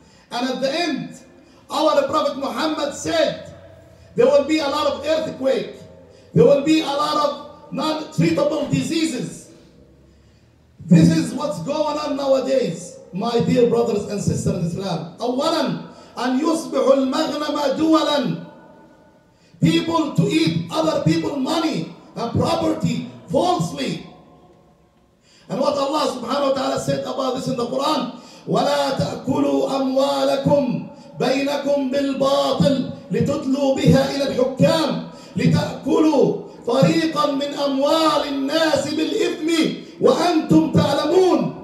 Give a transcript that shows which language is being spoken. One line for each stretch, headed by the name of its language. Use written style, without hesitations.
English: And at the end, our Prophet Muhammad said, there will be a lot of earthquake. There will be a lot of non-treatable diseases. This is what's going on nowadays, my dear brothers and sisters in Islam.
Arabic: أولاً، أن يصبح المغنم دولاً.
English: People to eat other people's money and property falsely. And what Allah subhanahu wa ta'ala said about this in the Quran,
Arabic: وَلَا تَأْكُلُوا أَمْوَالَكُمْ بَيْنَكُمْ بِالْبَاطِلِ لِتُدْلُوا بِهَا إِلَى الْحُكَّامِ لِتَأْكُلُوا فَرِيقًا مِنْ أَمْوَالِ النَّاسِ بِالْإِثْمِ وَأَنْتُمْ تَعْلَمُونَ.